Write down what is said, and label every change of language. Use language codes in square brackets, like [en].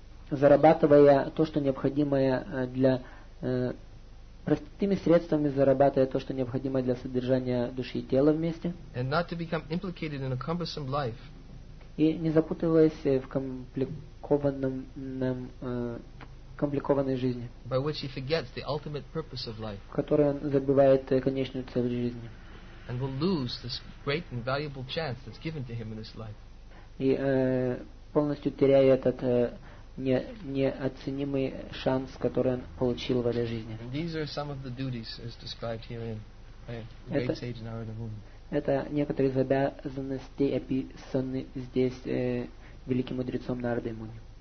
[ru] Зарабатывая то, что необходимо для простыми средствами зарабатывая то, что необходимо для содержания души и тела вместе. [en] And not to become implicated in a cumbersome life. [ru] И не запутываясь в компликованной жизни. [en] By which he forgets the ultimate purpose of life. [ru] Которой он забывает конечную цель жизни. [en] And will lose this great and valuable chance that's given to him in this life. [ru] И полностью теряя этот неоценимый шанс, который он получил в этой жизни. [en] These are some of the duties as described here in the great sage Narada Muni. [ru] Это некоторые из обязанностей, описаны здесь великим мудрецом Нарадой Муни.